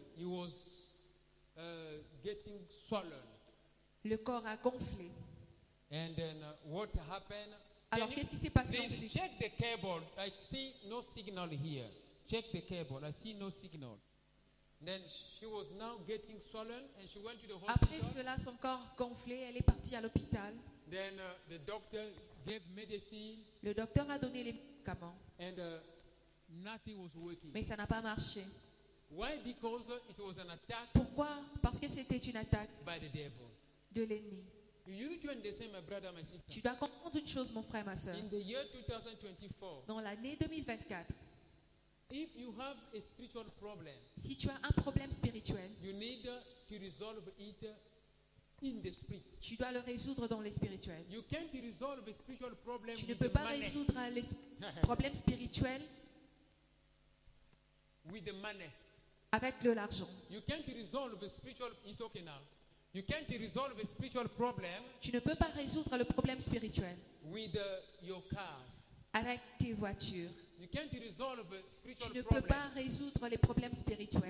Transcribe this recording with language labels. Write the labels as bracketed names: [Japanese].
[English] He was, getting swollen. [French] Le corps a gonflé. [English] And then what happened? [French] Alors, qu'est-ce qui s'est passé ensuite? [English] Check the cable. I see no signal here. Check the cable. I see no signal. Then she was now getting swollen and she went to the hospital. [French] Après cela, son corps gonflé, elle est partie à l'hôpital. [English] Then the doctor gave medicine. [French] Le docteur a donné les médicaments. [English] And nothing was working. [French] Mais ça n'a pas marché. [English] Why? Because it was an attack. [French] Pourquoi? Parce que c'était une attaque [English] by the devil. [French] De l'ennemi. [English] You need to understand, my brother, my sister. [French] Tu dois comprendre une chose, mon frère, ma soeur. [English] In the year 2024, [French] dans l'année 2024, [English] if you have a spiritual problem, [French] si tu as un problème spirituel, [English] you need to resolve it in the spirit. [French] Tu dois le résoudre dans le spirituel. [English] You can't resolve a spiritual problem [French] tu ne peux pas résoudre un problème spirituel [English] with the money. [French] Avec le l'argent. [English] You can't resolve a spiritual problem. It's okay now. You can't resolve a spiritual problem. [French] Tu ne peux pas résoudre le problème spirituel. [English] With your cars. [French] Avec tes voitures. [English] You can't resolve a spiritual problem. [French] Tu ne peux pas résoudre les problèmes spirituels.